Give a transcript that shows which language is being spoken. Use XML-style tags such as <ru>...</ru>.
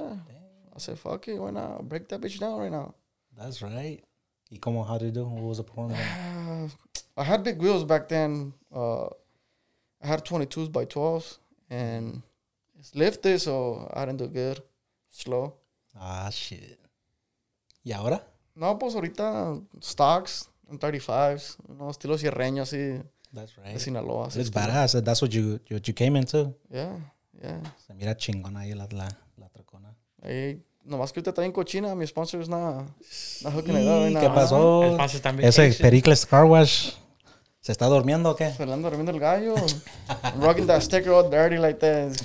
<en>Damn. I said, fuck it, why not? I'll break that bitch down right now. That's right.</en> <es>¿Y cómo?</es> <en>How did it do? What was the problem? I had big wheels back then. I had 22s by 12s, and it's lifted, so I didn't do good. Slow. Ah, shit.</en> <es>¿Y ahora? No, pues ahorita stocks, 35s,</es> <en>you know,</en> <es>estilo sierreño, así.</es> <en>That's right. Sinaloa, it's badass. Cool. That's what you came into. Yeah, yeah.</en> <es>Se mira chingona ahí la trocona. Ahí, nomás que usted está bien cochina. Mi sponsor es nada. Sí, nada. ¿Qué pasó? Ese Pericles Car Wash. ¿Se está durmiendo o qué? Se le anda durmiendo el gallo.</es> <en>Rocking that sticker all dirty like this.</en>